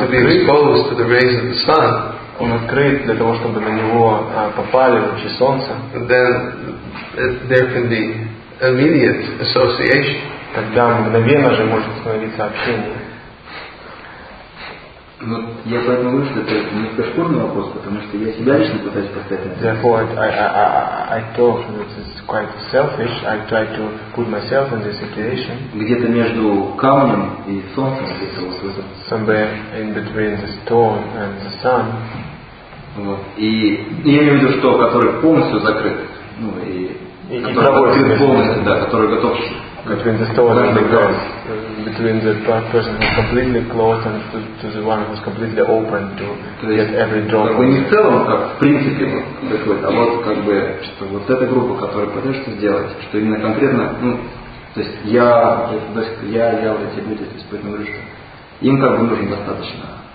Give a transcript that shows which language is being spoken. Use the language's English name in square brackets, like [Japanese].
[Russian] открыт, [English] to be exposed to the rays of the sun, [Russian] он открыт для того, чтобы на него попали лучи солнца, [English] then there can be immediate association. [Russian] Тогда мгновенно же может становиться общение. Но я поэтому говорю, что это не кашпурный вопрос, потому что я себя лично пытаюсь поставить. [English] Therefore, I thought this is quite selfish. I try to put myself in this situation. [Russian] Где-то между камнем и солнцем где-то вот это. [English] Somewhere in between the stone and the sun. [Russian] Вот. И я имею в виду, что который полностью закрыт. Ну и [English] Between the stone and the grass, between the person who's completely closed and to the one who's completely open to get every drop. [Russian] Как бы не в целом, как в принципе, а вот как бы что вот эта группа, которая пытается что сделать, что именно конкретно, ну, то есть я вот эти люди, то есть поэтому говорю, что им как бы нужно достаточно.